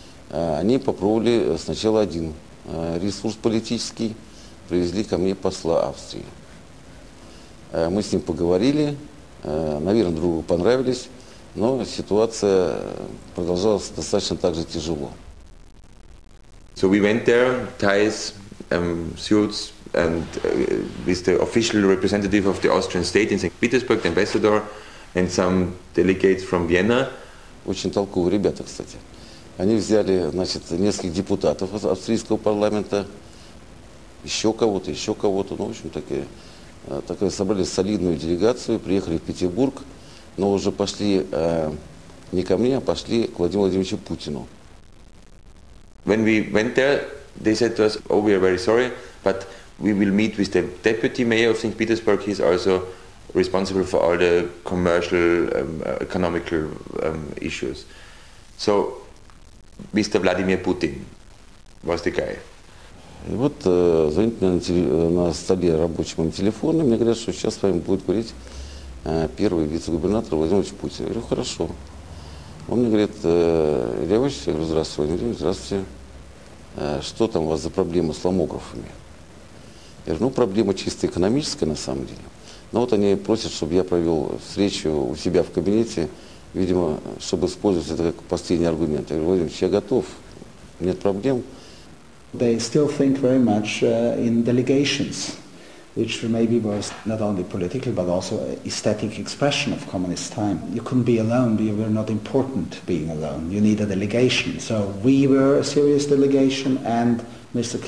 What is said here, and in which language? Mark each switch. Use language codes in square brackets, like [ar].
[ru] Они попробовали сначала один ресурс политический, привезли ко мне посла Австрии. Мы с ним поговорили, наверное, другу понравились, но ситуация продолжалась достаточно так же тяжело. [en] So we went there, ties, suits. And with the official representative of the Austrian state in St. Petersburg, the ambassador, and some delegates from Vienna. [ru] Очень толковые ребята, кстати. Они взяли, значит, несколько депутатов австрийского парламента, еще кого-то, ну, в общем, такое собрали солидную делегацию, приехали в Петербург, но уже пошли не ко мне, а пошли к Владимиру Владимировичу Путину. [en] When we went there, they said to us, oh, we are very sorry, but we will meet with the deputy mayor of St. Petersburg. He's also responsible for all the commercial, economical issues. So, Mr. Vladimir Putin was the guy. [ru] И вот звонит мне на столе рабочим телефон, и мне говорят, что сейчас с вами будет говорить первый вице-губернатор Владимир Путин. Я говорю, хорошо. Он мне говорит, Илья Иванович, я говорю, здравствуйте, Владимир, здравствуйте. что там у вас за проблемы с ломографами? Я говорю, ну, проблема чисто экономическая на самом деле. Но вот они просят, чтобы я провел встречу у себя в кабинете, видимо, чтобы использовать это как последний аргумент. Я говорю, Владимирович, я готов, нет проблем. [en] They still think very much in delegations, which maybe was not only political, but also aesthetic expression of communist time. You couldn't be alone, but you were not important being alone. You need a delegation. So we were a serious delegation, and Mr.